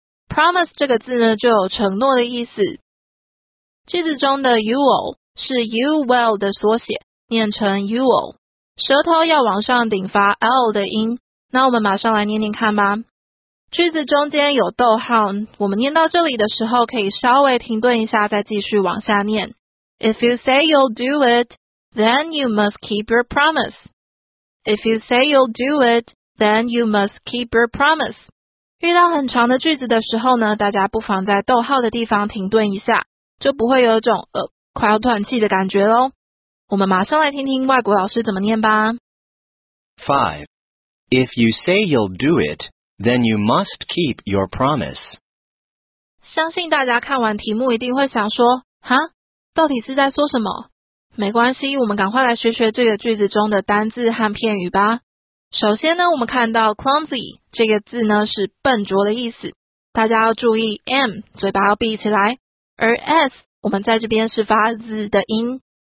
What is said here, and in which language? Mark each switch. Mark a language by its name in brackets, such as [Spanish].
[Chinese] promise 这个字呢，就有承诺的意思。句子中的 you'll 是 you will 的缩写，念成 you'll，舌头要往上顶发 L 的音。那我们马上来念念看吧。句子中间有逗号，我们念到这里的时候可以稍微停顿一下再继续往下念。 [English] If you say you'll do it, then you must keep your promise. If you say you'll do it, then you must keep your promise. [Chinese] 遇到很长的句子的时候呢，大家不妨在逗号的地方停顿一下，就不会有一种快要断气的感觉咯。我们马上来听听外国老师怎么念吧。 5. [English] If you say you'll do it, then you must keep your promise. [Chinese] 相信大家看完题目一定会想说，蛤？到底是在说什么？没关系，我们赶快来学学这个句子中的单字和片语吧。首先呢，我们看到 clumsy 这个字呢，是笨拙的意思。大家要注意 M 嘴巴要闭起来，而 S 我们在这边是发 Z 的音。